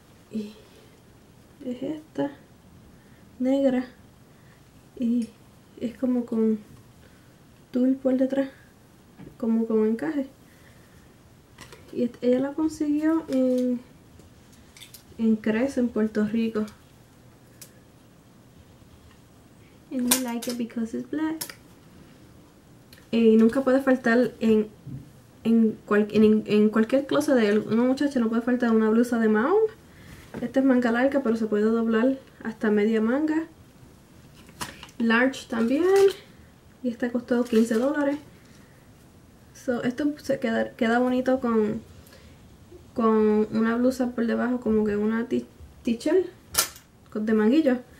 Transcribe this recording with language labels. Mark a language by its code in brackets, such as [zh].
[es] Y es esta. Negra. Y es como con tul por detrás. Como con encaje. Y ella la consiguió en Crest, en Puerto Rico. [en] And we like it because it's black. [es] Y nunca puede faltar en cualquier closet de una muchacha, no puede faltar una blusa de Maui. Esta es manga larga, pero se puede doblar hasta media manga. Large también. Y esta costó $15. So, esto se queda bonito con una blusa por debajo, como que una t-shirt de manguillo.